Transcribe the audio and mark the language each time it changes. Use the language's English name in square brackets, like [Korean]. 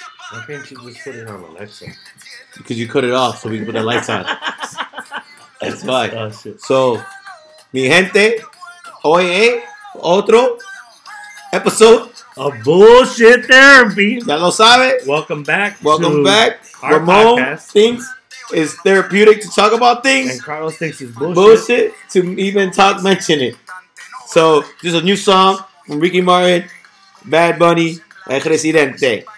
[English] Why can't you just put it on Alexa? Because you cut it off so we can put the lights on. That's why. So, [Spanish] mi gente, hoy es otro episode [English] of Bullshit Therapy. [Spanish] Ya lo sabe. [English] Welcome back. Welcome back. Our Ramon podcast thinks it's therapeutic to talk about things. And Carlos thinks it's bullshit to even talk, mention it. So, this is a new song from Ricky Martin, Bad Bunny, and Residente.